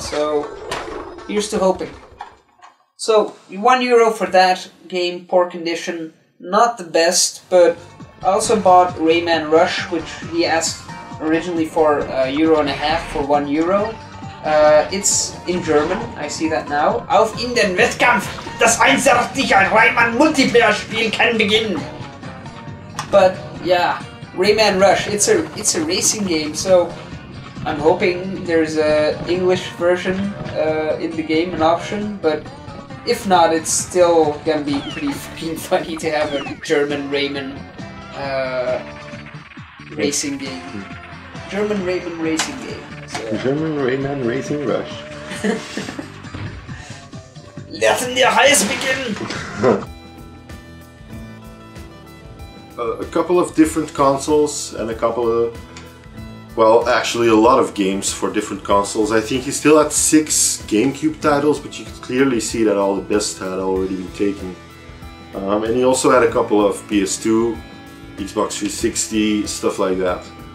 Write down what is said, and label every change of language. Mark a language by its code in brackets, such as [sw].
[en] So, here's to hoping. So, 1 euro for that game, poor condition, not the best, but I also bought Rayman Rush, which he asked originally for a euro and a half for 1 euro. It's in German, I see that now. [de] Auf in den Wettkampf, das einzige Rayman Multiplayer Spiel kann beginnen! [en] But yeah, Rayman Rush, it's a racing game, so I'm hoping there's a English version in the game, an option, but if not, it's still gonna be pretty fucking funny to have a German Rayman racing game. German Rayman racing game. So. German Rayman Racing Rush. [de] Lassen wir heiß beginnen! [en] A couple of different consoles and a couple of... Well, actually a lot of games for different consoles. I think he's still at 6 GameCube titles, but you can clearly see that all the best had already been taken. And he also had a couple of PS2, Xbox 360, stuff like that.